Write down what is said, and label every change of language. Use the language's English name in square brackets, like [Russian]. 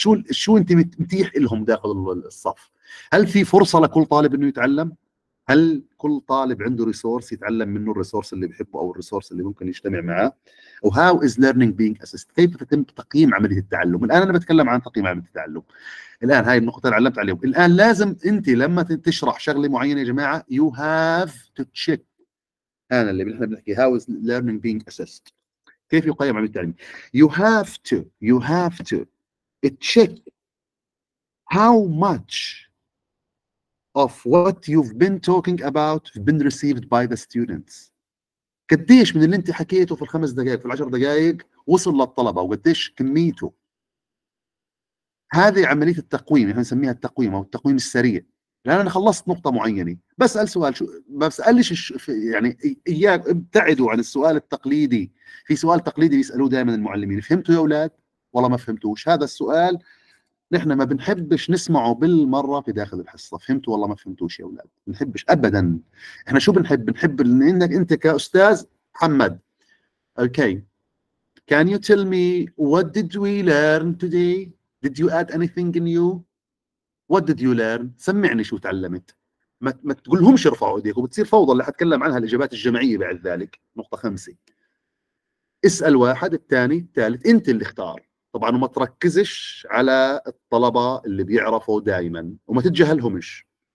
[Arabic] شو أنت متيح لهم داخل الصف؟ هل في فرصة لكل طالب إنه يتعلم؟ هل كل طالب عنده resource يتعلم منه الresource اللي بحبه أو الresource اللي ممكن يجتمع معه؟ و [English] how is learning being assessed؟ [Arabic] كيف تتم تقييم عملية التعلم؟ الآن أنا بتكلم عن تقييم عملية التعلم. الآن هاي النقطة اللي علمت عليهم. الآن لازم أنت لما تشرح شغلة معينة يا جماعة [English] you have to check. [Arabic] أنا اللي بنحنا بنحكي [English] how is learning being assessed؟ [Arabic] كيف يقيم عملية التعلم؟ [English] you have to check how much of what you've been talking about have been received by the students. [Arabic] كديش من اللي انت حكيته في الخمس دقائق في العشر دقائق وصل للطلبة وقديش كميته. هذه عملية التقويم، احنا نسميها التقويم او التقويم السريع. لان انا خلصت نقطة معينة بسأل سؤال، شو ما بسألش يعني اياك ابتعدوا عن السؤال التقليدي. في سؤال تقليدي بيسألوه دائما المعلمين، فهمتوا يا اولاد ولا ما فهمتوش؟ هذا السؤال نحن ما بنحبش نسمعه بالمرة في داخل الحصة، فهمتوا والله ما فهمتوش يا أولاد، بنحبش أبداً. إحنا شو بنحب؟ بنحب إنك أنت كأستاذ محمد، okay. [English] Can you tell me what did we learn today? Did you add anything new? What did you learn? [Arabic] سمعني شو تعلمت. ما تقولهمش رفعوا إيديك وبتصير فوضى اللي حتكلم عنها الإجابات الجماعية بعد ذلك. نقطة خمسة، اسأل واحد الثاني الثالث، أنت اللي اختار طبعاً، وما تركزش على الطلبة اللي بيعرفوا دائماً وما تتجاهلهمش.